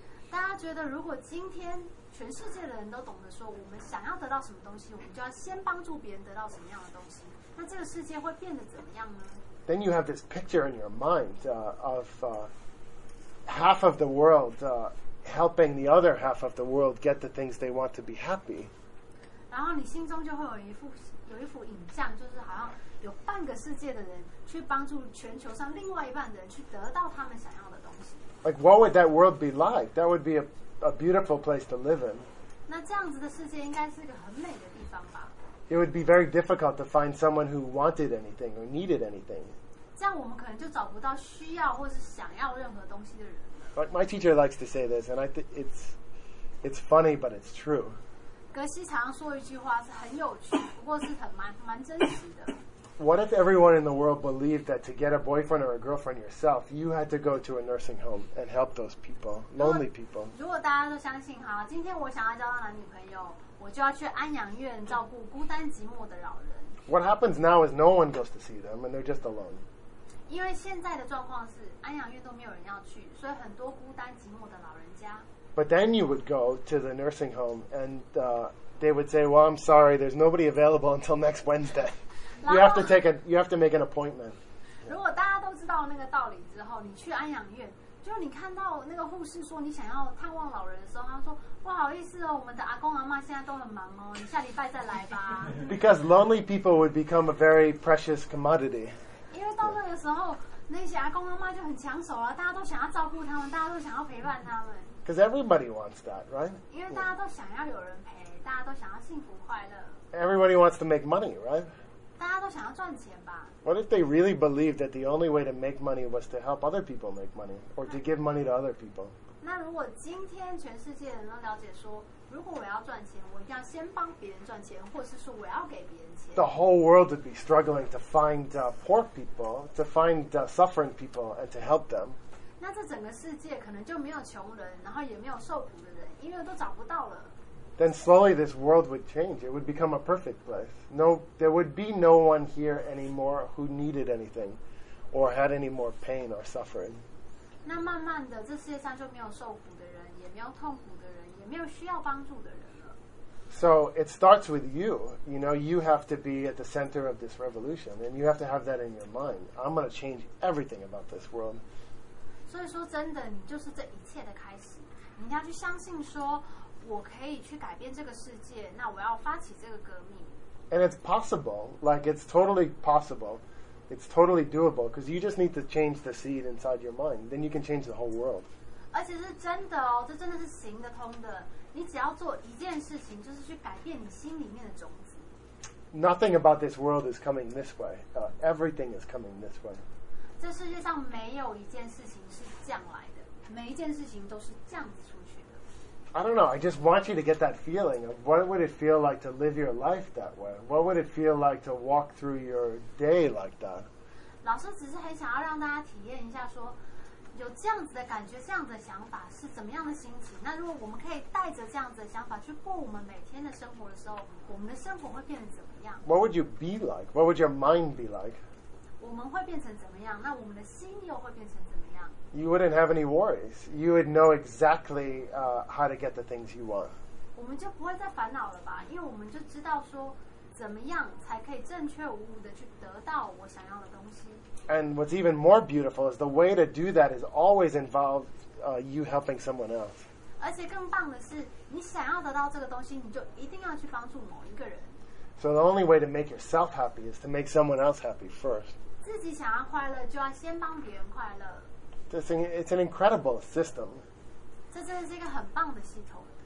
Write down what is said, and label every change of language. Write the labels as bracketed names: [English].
[Chinese] 大家觉得如果今天全世界的人都懂得说我们想要得到什么东西我们就要先帮助别人得到什么样的东西那这个世界会变得怎么样呢 [English] Then you have this picture in your mind of half of the world helping the other half of the world get the things they want to be happy [Chinese] 然后你心中就会有一幅影像就是好像有半个世界的人去帮助全球上另外一半的人去得到他们想要的东西 [English] Like what would that world be like? That would be a beautiful place to live in. [Chinese] 那这样子的世界应该是一个很美的地方吧。 [English] It would be very difficult to find someone who wanted anything or needed anything. [Chinese] 这样我们可能就找不到需要或是想要任何东西的人了。 [English] But my teacher likes to say this, and I think it's funny, but it's true. [Chinese] 格西常常说一句话是很有趣，不过是很蛮真实的。 [English] What if everyone in the world believed that to get a boyfriend or a girlfriend yourself, you had to go to a nursing home and help those people, lonely people? [Chinese] 如果大家都相信，好，今天我想要交到男女朋友，我就要去安养院照顾孤单寂寞的老人。 [English] What happens now is no one goes to see them, and they're just alone. [Chinese] 因为现在的状况是安养院都没有人要去，所以很多孤单寂寞的老人家。 [English] But then you would go to the nursing home, and they would say, "Well, I'm sorry, there's nobody available until next Wednesday." You have to make an appointment. [Chinese] 如果大家都知道那个道理之后，你去安养院，就你看到那个护士说你想要探望老人的时候，他说不好意思哦，我们的阿公阿嬷现在都很忙哦，你下礼拜再来吧。 [English] Because lonely people would become a very precious commodity. [Chinese] 因为到那个时候，那些阿公阿嬷就很抢手了，大家都想要照顾他们，大家都想要陪伴他们。 [English] Because everybody wants that, right? [Chinese] 因为大家都想要有人陪，大家都想要幸福快乐。 [English] Everybody wants to make money, right? [Chinese] 大家都想要赚钱吧。 [English] What if they really believed that the only way to make money was to help other people make money, or to give money to other people? [Chinese] 那如果今天全世界人都了解说，如果我要赚钱，我一定要先帮别人赚钱，或是说我要给别人钱。 [English] The whole world would be struggling to find poor people, to find suffering people, and to help them. [Chinese] 那这整个世界可能就没有穷人，然后也没有受苦的人，因为都找不到了。 [English] Then slowly this world would change. It would become a perfect place. No, there would be no one here anymore who needed anything or had any more pain or suffering. [Chinese] 那慢慢的，这世界上就没有受苦的人，也没有痛苦的人，也没有需要帮助的人了。 [English] So it starts with you. You know, you have to be at the center of this revolution, and you have to have that in your mind. I'm going to change everything about this world. [Chinese] 所以说真的，你就是这一切的开始。你要去相信说我可以去改变这个世界，那我要发起这个革命。 [English] And it's possible, like it's totally possible, it's totally doable, because you just need to change the seed inside your mind, then you can change the whole world. [Chinese] 而且是真的哦，这真的是行得通的。你只要做一件事情，就是去改变你心里面的种子。 [English] Nothing about this world is coming this way. Everything is coming this way. [Chinese] 这世界上没有一件事情是降来的，每一件事情都是降子出去的。 [English] I don't know, I just want you to get that feeling of what would it feel like to live your life that way? What would it feel like to walk through your day like that? [Chinese] 老师只是很想要让大家体验一下说有这样子的感觉，这样子的想法是怎么样的心情。那如果我们可以带着这样子的想法去过我们每天的生活的时候，我们的生活会变得怎么样？ [English] What would you be like? What would your mind be like? [Chinese] 我们会变成怎么样？那我们的心又会变成怎么样？ [English] You wouldn't have any worries. You would know exactly how to get the things you want. [Chinese] 我们就不会再烦恼了吧？因为我们就知道说，怎么样才可以正确无误的去得到我想要的东西。 [English] And what's even more beautiful is the way to do that is always involved you helping someone else. [Chinese] 而且更棒的是，你想要得到这个东西，你就一定要去帮助某一个人。 [English] So the only way to make yourself happy is to make someone else happy first. [Chinese] 自己想要快乐，就要先帮别人快乐。 [English] It's an incredible system. [Chinese] 这真的是一个很棒的系统。